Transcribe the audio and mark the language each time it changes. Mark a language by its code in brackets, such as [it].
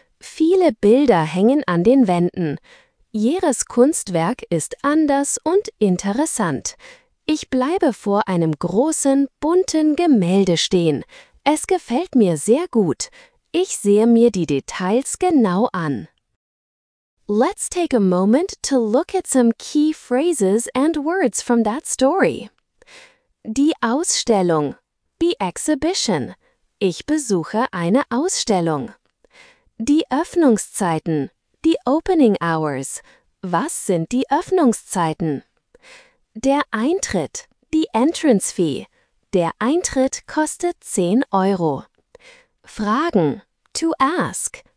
[de] Viele Bilder hängen an den Wänden. Jedes Kunstwerk ist anders und interessant. Ich bleibe vor einem großen, bunten Gemälde stehen. Es gefällt mir sehr gut. Ich sehe mir die Details genau an. [en] Let's take a moment to look at some key phrases and words from that story. [de] Die Ausstellung. The exhibition. Ich besuche eine Ausstellung. Die Öffnungszeiten. The opening hours. Was sind die Öffnungszeiten? Der Eintritt. The entrance fee. Der Eintritt kostet 10 Euro. Fragen. To ask.